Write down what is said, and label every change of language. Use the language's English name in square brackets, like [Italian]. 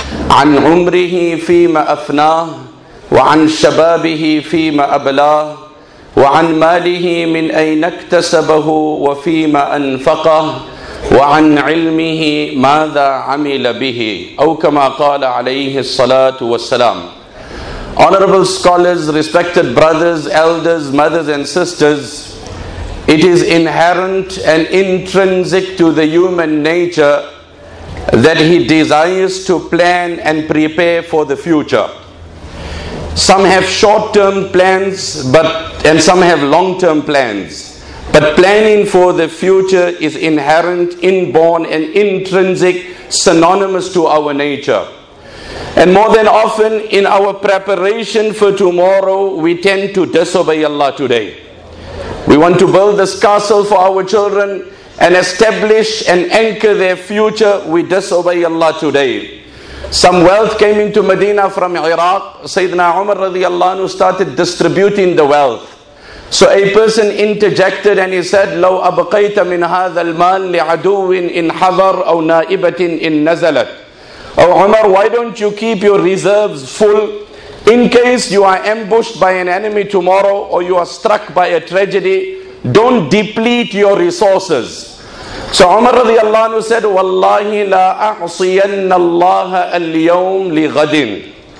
[Arabic] عن عمره فيما أفناه وعن شبابه فيما أبلاه وعن ماله من أين اكتسبه وفيما أنفقه وعن علمه ماذا عمل به أو كما قال عليه الصلاة والسلام. [English] Honorable scholars, respected brothers, elders, mothers and sisters, it is inherent and intrinsic to the human nature that he desires to plan and prepare for the future. Some have short-term plans, and some have long-term plans. But planning for the future is inherent, inborn, and intrinsic, synonymous to our nature. And more than often, in our preparation for tomorrow, we tend to disobey Allah today. We want to build this castle for our children and establish and anchor their future. We disobey Allah today. Some wealth came into Medina from Iraq. Sayyidina Umar radiallahu anhu started distributing the wealth. So a person interjected and he said, [Arabic] لو أبقيت من هذا المال لعدو إن حضر أو نائبة إن نزلت. [English] Oh Umar, why don't you keep your reserves full in case you are ambushed by an enemy tomorrow or you are struck by a tragedy? Don't deplete your resources. So Umar radiallahu anhu said, [Arabic] Wallahi la a'siyan Allah al-yawm li ghadin.